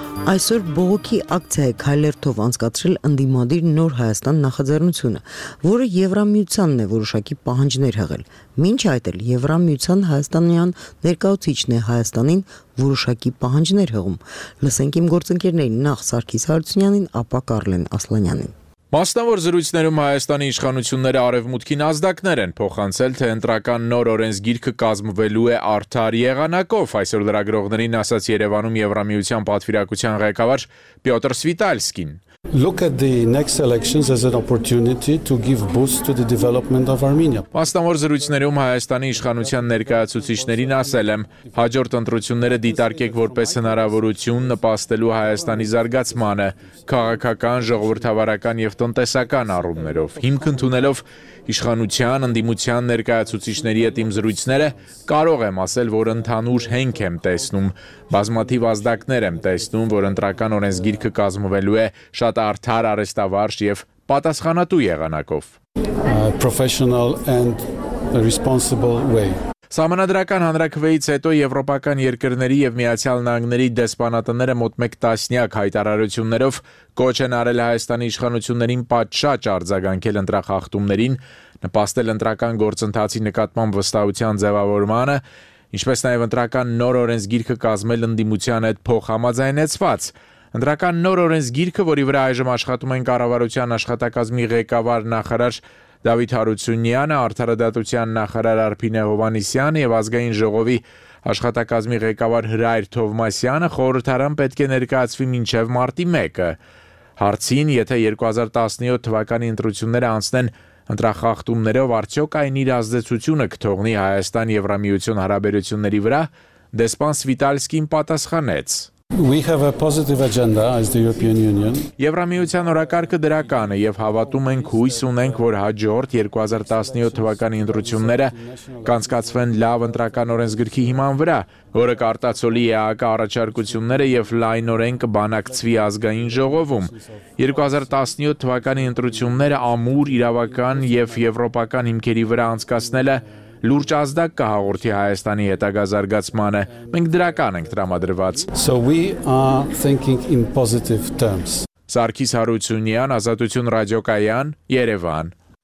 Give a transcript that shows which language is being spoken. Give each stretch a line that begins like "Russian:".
Armenian: Այսօր բողոքի ակցիա է քայլերթով անցկացրել ընդդիմադիր Նոր Հայաստան նախաձեռնությունը, որը Եվրամիությանն է որոշակի պահանջներ հղել։ Մինչ այդ էլ Եվրամիության հայաստանյան ներկայացուցիչն է Հայաստանին որոշակի պահանջներ հղում։ Լսենք իմ գործընկերներին՝ նախ Սարգիս Հարությունյանին, ապա Կարլեն Ասլանյանին։ Մասնավոր զրույցներում Հայաստանի իշխանությունները արևմուտքին ազդակներ են փոխանցել, թե ընտրական նոր օրենսգիրքը կազմվելու է արդար եղանակով, այսօր լրագրողներին ասաց Երևանում Եվրամիության պատվիրակության ղեկավար Պյոտր Սվիտալսկին.
English: Look at the next elections as an opportunity to give boost to the development of Armenia.
Armenian: Պաստամոր զրույցներում Հայաստանի իշխանության ներկայացուցիչներին ասել եմ, հաջորդ ընտրությունները դիտարկեք որպես հնարավորություն նպաստելու Հայաստանի զարգացմանը, քաղաքական, ժողովրդավարական եւ տնտեսական առումներով, հիմք ընդունելով իշխանության ընդդիմության ներկայացուցիչների հետ իմ զրույցները, կարող եմ ասել, որ ընդհանուր հենք եմ տեսնում, բազմաթիվ ազդակներ եմ տեսնում, որ ընտրական օրենսգիրքը կազմվելու է շատ արդար, արեստավարժ եւ պատասխանատու եղանակով։
English: Professional and responsible way.
Armenian: Սահմանադրական հանրաքվեից հետո Եվրոպական երկրների եւ Միացյալ Նահանգների դեսպանատները մոտ 1 տասնյակ հայտարարություններով կոչ են արել Հայաստանի իշխանություններին պատշաճ արձագանքել ընտրախախտումներին, նպաստել ընտրական գործընթացի նկատմամբ վստահության ձևավորմանը, ինչպես նաեւ ընտրական նոր օրենսգիրքը կազմել ընդդիմության հետ փոխհամաձայնեցված։ Ընդրական նոր օրենսգիրքը, որի վրա այժմ աշխատում են կառավարության աշխատակազմի ղեկավար նախարար Դավիթ Հարությունյանը, արտարադատության նախարար Արփինե Հովանիսյանը եւ ազգային ժողովի աշխատակազմի ղեկավար Հրայր Թովմասյանը խորհրդարան պետք է ներկայացվի մինչեւ մարտի 1-ը։ Հարցին, եթե 2017 թվականի ընտրությունները անցնեն ընտրախախտումներով, արդյոք այն իր ազդեցությունը կթողնի Հայաստան-Եվրամիություն հարաբերությունների վրա, դեսպան Սվիտալսկին պատասխանեց.
English: We have a positive agenda as the European Union.
Armenian: Եվրամիության օրակարգը դրական է եւ հավատում ենք, հույս ունենք, որ հաջորդ 2017 թվականի ընտրությունները կանցկացվեն լավ ընտրական օրենսգրքի հիման վրա, որը կարտացոլի ԵԱԿ առաջարկությունները եւ լայնորեն կբանակցվի ազգային ժողովում։ 2017 թվականի ընտրությունները ամուր իրավական եւ եվրոպական հիմքերի վրա անցկացնելը լուրջ ազդակ կհաղորդի Հայաստանի հետագա զարգացմանը, մենք դրական ենք տրամադրված։
English: So we are thinking in positive terms.
Armenian: Սարգիս Հարությունյան, Ազատություն ռադիոկայան, Երևան։